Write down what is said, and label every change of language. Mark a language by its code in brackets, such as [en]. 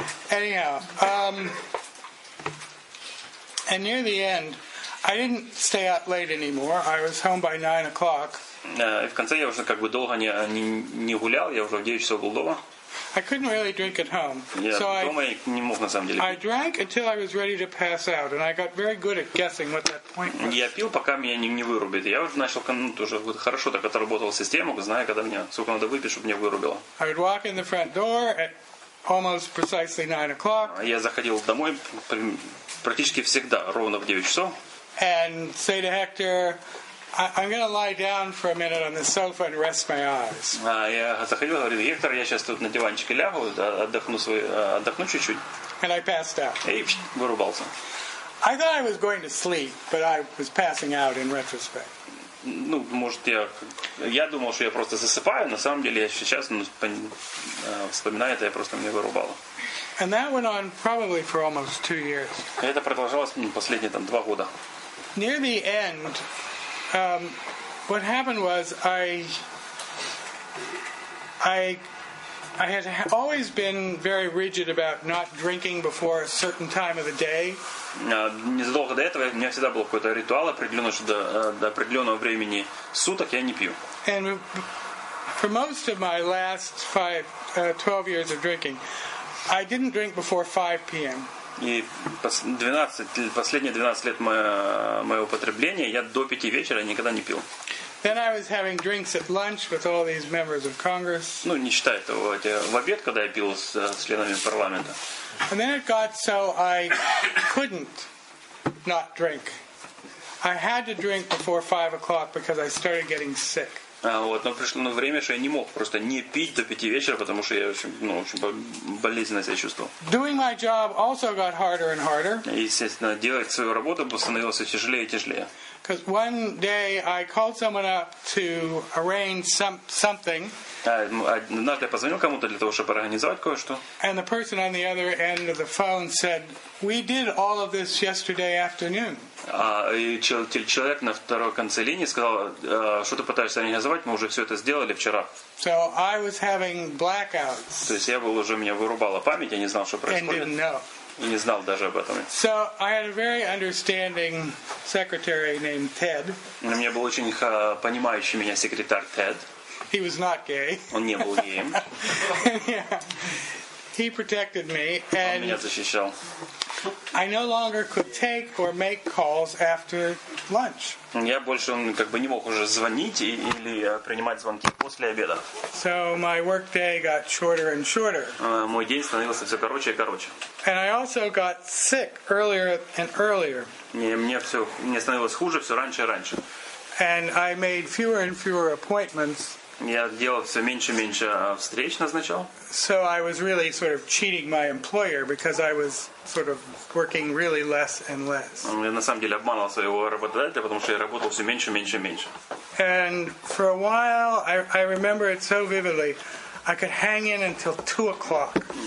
[en] Anyhow, and near the end, I didn't stay out late anymore. I was home by 9 o'clock. [ru] В конце я уже как бы долго не гулял. Я уже в 9 часов был дома. [en] I couldn't really drink at home. [ru] Дома я не мог на самом деле. [en] I drank until I was ready to pass out, and I got very good at guessing what that point was. [ru] Я пил, пока меня не вырубит. Я уже начал уже хорошо так отработал систему, зная, когда мне сколько надо выпить, чтобы меня вырубило. [en] I would walk in the front door at almost precisely 9 o'clock. [ru] Я заходил домой практически всегда ровно в 9 часов. [en] And say to Hector, I'm going to lie down for a minute on the sofa and rest my eyes. [ru] Я заходил, говорил: Гектор, я сейчас тут на диванчике лягу, отдохну чуть-чуть. [en] And I passed out. [ru] И вырубался. [en] I thought I was going to sleep, but I was passing out in retrospect. [ru] Ну, может, я думал, что я просто засыпаю, на самом деле, я сейчас вспоминаю это, я просто меня вырубало. [en] And that went on probably for almost 2 years. [ru] Это продолжалось последние 2 года. [en] Near the end, what happened was I had always been very rigid about not drinking before a certain time of the day. [ru] Незадолго до этого у меня всегда был какой-то ритуал определенный, что до определенного времени суток я не пью. [en] And for most of my last 12 years of drinking, I didn't drink before 5 p.m. [ru] И последние 12 лет моего употребления я до 5 вечера никогда не пил. [en] Then I was having drinks at lunch with all these members of Congress. [ru] Ну, не считая того, в обед, когда я пил с членами парламента. [en] And then it got so I couldn't not drink. I had to drink before 5 o'clock because I started getting sick. [ru] Вот, но пришло на время, что я не мог просто не пить до 5 вечера, потому что я очень, ну, очень болезненно себя чувствовал. [en] Doing my job also got harder and harder. [ru] Естественно, делать свою работу становилось все тяжелее и тяжелее. [en] Because one day I called someone up to arrange something. [ru] Однажды я позвонил кому-то для того, чтобы организовать кое-что. [en] And the person on the other end of the phone said, "We did all of this yesterday afternoon." [ru] И человек на второй конце линии сказал, что ты пытаешься организовать, мы уже все это сделали вчера. [en] So I was having blackouts. [ru] То есть я был уже, меня вырубала память, я не знал, что происходит. [en] And didn't know. [ru] И не знал даже об этом. [en] So I had a very understanding secretary named Ted. [ru] У меня был очень понимающий меня секретарь Тед. [en] He was not gay. [ru] Он не был геем. [en] He protected me. [ru] Он меня защищал. [en] I no longer could take or make calls after lunch. [ru] Я больше как бы не мог уже звонить или принимать звонки после обеда. [en] So my work day got shorter and shorter. [ru] Мой день становился все короче и короче. [en] And I also got sick earlier and earlier. [ru] Мне становилось хуже все раньше и раньше. [en] And I made fewer and fewer appointments. [ru] Я делал все меньше и меньше встреч назначал. [en] So I was really sort of cheating my employer because I was sort of working really less and less. [ru] Я на самом деле обманывал своего работодателя, потому что я работал все меньше, меньше, меньше. [en] And for a while, I remember it so vividly, I could hang in until 2 o'clock.